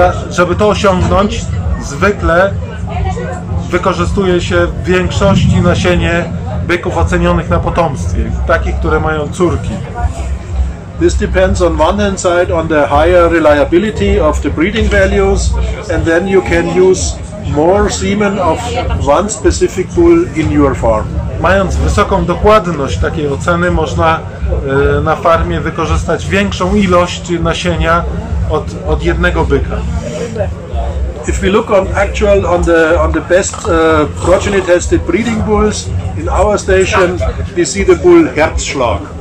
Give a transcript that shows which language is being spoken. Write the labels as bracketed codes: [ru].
[pl] Żeby to osiągnąć, zwykle wykorzystuje się w większości nasienie byków ocenionych na potomstwie, takich, które mają córki. [en] This depends on one hand side on the higher reliability of the breeding values, and then you can use more semen of one specific bull in your farm. [pl] mając wysoką dokładność takiej oceny, można na farmie wykorzystać większą ilość nasienia od jednego byka. [en] If we look on actual on the best progeny tested breeding bulls in our station, we see the bull Herzschlag.